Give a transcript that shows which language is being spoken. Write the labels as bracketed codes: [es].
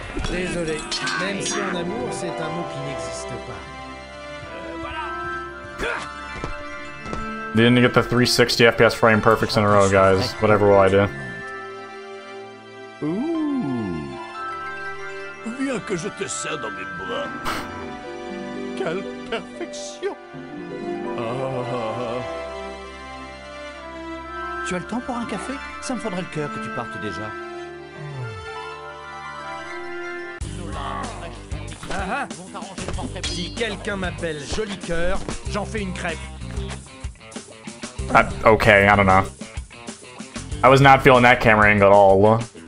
[fr] Désolé, même si en amour, c'est un mot qui n'existe pas. [en] Didn't get the 360 FPS frame perfects in a row, guys. Whatever will I do? Ooh. [fr] Viens que je te serre dans mes bras. Quelle perfection. Tu as le temps pour un café? Ça me fendrait le cœur que tu partes déjà. Ah ah! Si quelqu'un m'appelle Joli Cœur, j'en fais une crêpe. [en] Okay, I don't know. I was not feeling that camera angle at all.